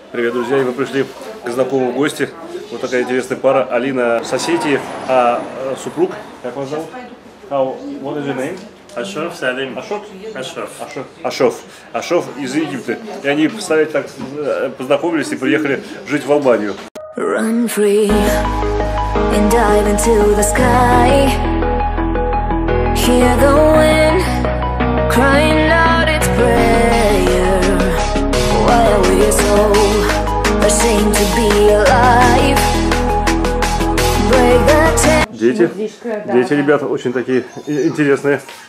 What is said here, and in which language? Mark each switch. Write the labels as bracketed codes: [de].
[ru] Привет, друзья, и вы пришли к знакомому в гости. Вот такая интересная пара. Алина соседи, а супруг, как вас зовут? [en] What is your name? [ru] Ашов Салим. Ашов. Ашов из Египта. И они представляете так познакомились и приехали жить в Албанию. [en] Run free and dive into the sky. Hear the wind crying out its prayer. Why are we so ashamed to be alive? [ru] Дети, дети, ребята, очень такие интересные.